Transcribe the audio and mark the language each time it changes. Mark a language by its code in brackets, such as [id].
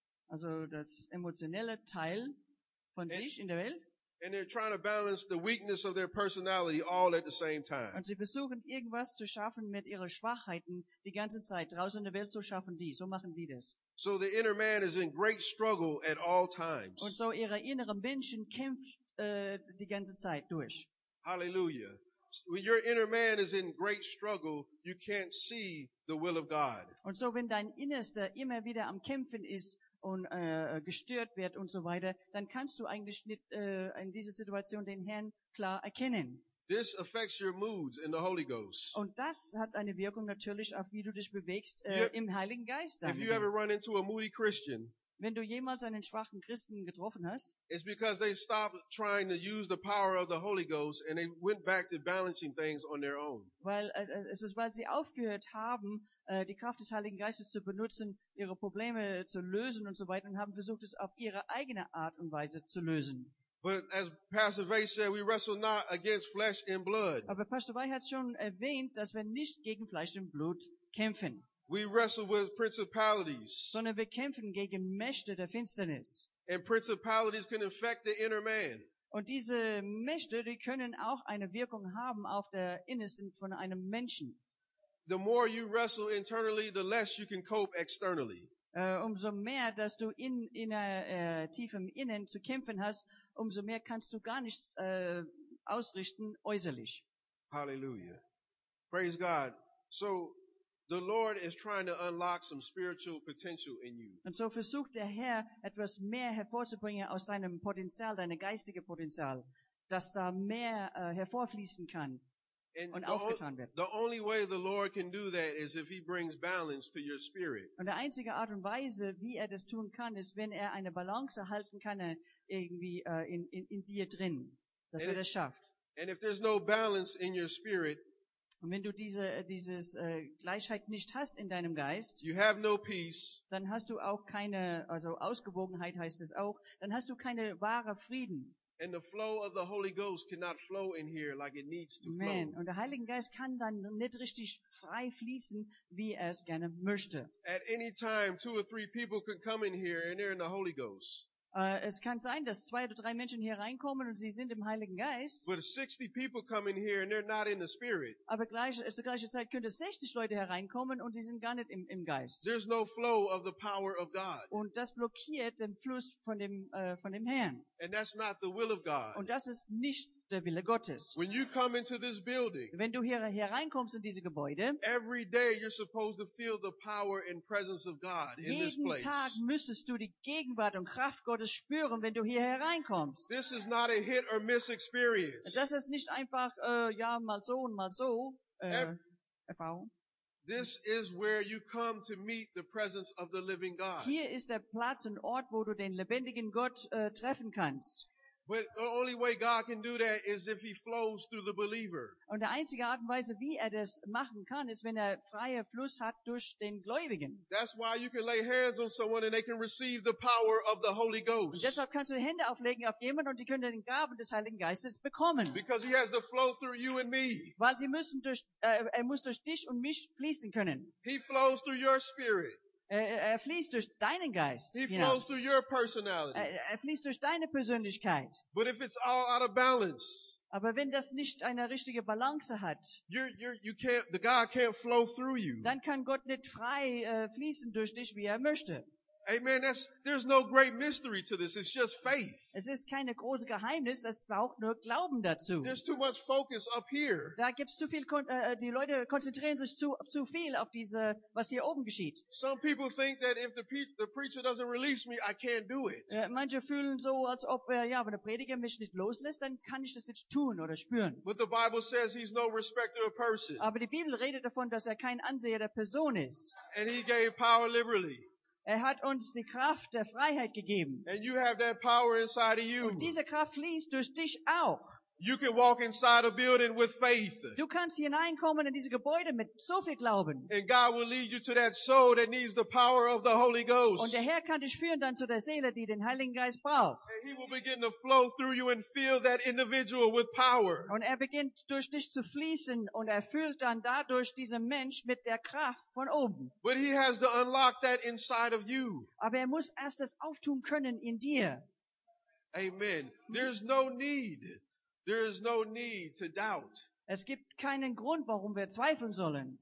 [de] Also das emotionelle Teil von sich in der Welt. [en] And they're trying to balance the weakness of their personality all at the same time. [de] Und sie versuchen irgendwas zu schaffen mit ihren Schwachheiten die ganze Zeit draußen in der Welt zu schaffen die. So machen die das. [en] So the inner man is in great struggle at all times. [de] Und so ihre inneren Menschen kämpft die ganze Zeit durch. Hallelujah. [en] When your inner man is in great struggle, you can't see the will of God. [de] Und so wenn dein Innerster immer wieder am Kämpfen ist und gestört wird und so weiter, dann kannst du eigentlich nicht in dieser Situation den Herrn klar erkennen. [en] This affects your moods in the Holy Ghost. [de] Und das hat eine Wirkung natürlich auf wie du dich bewegst im Heiligen Geist. [en] If you ever run into a moody Christian, [de] wenn du jemals einen schwachen Christen getroffen hast, [en] it's because they stopped trying to use the power of the Holy Ghost and they went back to balancing things on their own. [de] Weil es ist, weil sie aufgehört haben, die Kraft des Heiligen Geistes zu benutzen, ihre Probleme zu lösen und so weiter, und haben versucht, es auf ihre eigene Art und Weise zu lösen. [en] But as Pastor Vay said, we wrestle not against flesh and blood. [de] Aber Pastor Vay hat schon erwähnt, dass wir nicht gegen Fleisch und Blut kämpfen. [en] We wrestle with principalities. [de] Sondern wir kämpfen gegen Mächte der Finsternis. [en] And principalities can infect the inner man. [de] Und diese Mächte, die können auch eine Wirkung haben auf der Innersten von einem Menschen. [en] The more you wrestle internally, the less you can cope externally. [de] Umso mehr, dass du tiefem Innen zu kämpfen hast, umso mehr kannst du gar nicht ausrichten äußerlich. [en] Hallelujah. Praise God. So the Lord is trying to unlock some spiritual potential in you. [de] Und so versucht der Herr, etwas mehr hervorzubringen aus deinem Potenzial, deinem geistigen Potenzial, dass da mehr hervorfließen kann. [en] And the only way the Lord can do that is if he brings balance to your spirit. [de] Und die einzige Art und Weise, wie er das tun kann, ist, wenn er eine Balance erhalten kann irgendwie in dir drin, dass er das schafft. [en] And if there's no balance in your spirit, [de] und wenn du dieses Gleichheit nicht hast in deinem Geist, [en] you have no peace, [de] dann hast du auch keine, also Ausgewogenheit heißt es auch, dann hast du keine wahre Frieden. [en] And the flow of the Holy Ghost cannot flow in here like it needs to flow. [de] Man, und der Heilige Geist kann dann nicht richtig frei fließen, wie er es gerne möchte. [en] At any time, two or three people can come in here and they're in the Holy Ghost. [de] Es kann sein, dass zwei oder drei Menschen hier reinkommen und sie sind im Heiligen Geist. [en] But 60 people come in here and they're not in the Spirit. [de] Aber zur gleichen Zeit könnte 60 Leute hereinkommen und sie sind gar nicht im Geist. [en] There's no flow of the power of God. [de] Und das blockiert den Fluss von dem Herrn. [en] And that's not the will of God. [de] Und das ist nicht der Wille Gottes. [en] When you come into this building, [de] wenn du hier reinkommst in diese Gebäude, [en] every day you're supposed to feel the power and presence of God in this place. [de] Jeden Tag müsstest du die Gegenwart und Kraft Gottes spüren, wenn du hier hereinkommst. [en] This is not a hit or miss experience. [de] Das ist nicht einfach mal so und mal so Erfahrung. [en] This is where you come to meet the presence of the living God. [de] Hier ist der Platz und Ort, wo du den lebendigen Gott treffen kannst. [en] But the only way God can do that is if he flows through the believer. [de] Und die einzige Art und Weise, wie er das machen kann, ist, wenn er freier Fluss hat durch den Gläubigen. [en] That's why you can lay hands on someone and they can receive the power of the Holy Ghost. [de] Und deshalb kannst du Hände auflegen auf jemanden und die können den Gaben des Heiligen Geistes bekommen. [en] Because he has to flow through you and me. [de] Weil sie müssen durch, er muss durch dich und mich fließen können. [en] He flows through your spirit. [de] Er fließt durch deinen Geist. [en] He flows through your personality. [de] Er fließt durch deine Persönlichkeit. [en] But if it's all out of balance, [de] aber wenn das nicht eine richtige Balance hat, [en] God can't flow through you. [de] Dann kann Gott nicht frei fließen durch dich, wie er möchte. [en] Amen. There's no great mystery to this. It's just faith. [de] Es ist kein großes Geheimnis. Es braucht nur Glauben dazu. [en] There's too much focus up here. [de] Da gibt's zu viel. Die Leute konzentrieren sich zu viel auf diese, was hier oben geschieht. [en] Some people think that if the preacher doesn't release me, I can't do it. [de] Manche fühlen so, als ob wenn der Prediger mich nicht loslässt, dann kann ich das nicht tun oder spüren. [en] But the Bible says he's no respecter of person. [de] Aber die Bibel redet davon, dass er kein Anseher der Person ist. [en] And he gave power liberally. [de] Er hat uns die Kraft der Freiheit gegeben. [en] And you have that power inside of you. [de] Und diese Kraft fließt durch dich auch. [en] You can walk inside a building with faith. [de] Du kannst hineinkommen in diese Gebäude mit so viel Glauben. [en] And God will lead you to that soul that needs the power of the Holy Ghost. [de] Und der Herr kann dich führen dann zu der Seele, die den Heiligen Geist braucht. [en] And he will begin to flow through you and fill that individual with power. [de] Und er beginnt durch dich zu fließen und erfüllt dann dadurch diesen Mensch mit der Kraft von oben. [en] But he has to unlock that inside of you. [de] Aber er muss erst das auftun können in dir. [en] Amen. There's no need. There is no need to doubt. [de] Es gibt keinen Grund, warum wir zweifeln sollen.